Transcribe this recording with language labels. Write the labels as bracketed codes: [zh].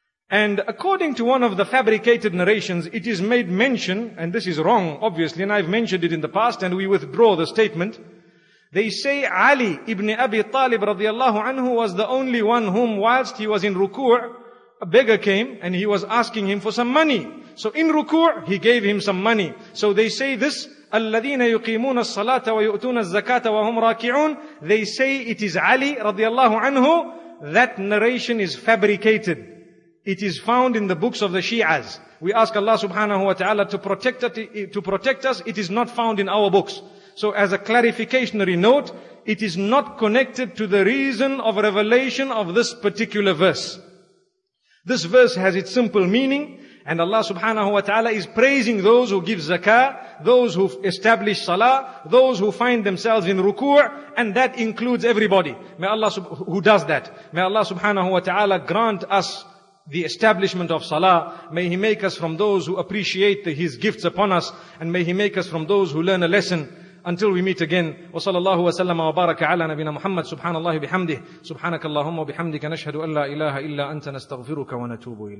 [en] And according to one of the fabricated narrations, it is made mention, and this is wrong obviously, and I've mentioned it in the past, and we withdraw the statement. They say Ali ibn Abi Talib radiallahu anhu was the only one whom, whilst he was in ruku', a beggar came and he was asking him for some money. So in ruku', he gave him some money. So they say this, [ar] الَّذِينَ يُقِيمُونَ الصَّلَاةَ وَيُؤْتُونَ الزَّكَاةَ وَهُمْ رَاكِعُونَ. [en] They say it is Ali radiallahu anhu. That narration is fabricated. It is found in the books of the Shi'as. We ask Allah subhanahu wa ta'ala to protect us. It is not found in our books. So as a clarificationary note, it is not connected to the reason of revelation of this particular verse. This verse has its simple meaning, and Allah subhanahu wa ta'ala is praising those who give zakah, those who establish salah, those who find themselves in ruku', and that includes everybody. May Allah subhanahu wa ta'ala grant us the establishment of salah. May He make us from those who appreciate His gifts upon us, and may He make us from those who learn a lesson. Until we meet again, [ar] وصلى الله وسلم وبارك على نبينا محمد سبحان الله بحمده سبحانك اللهم وبحمدك نشهد أن لا إله إلا أنت نستغفرك ونتوب إليك.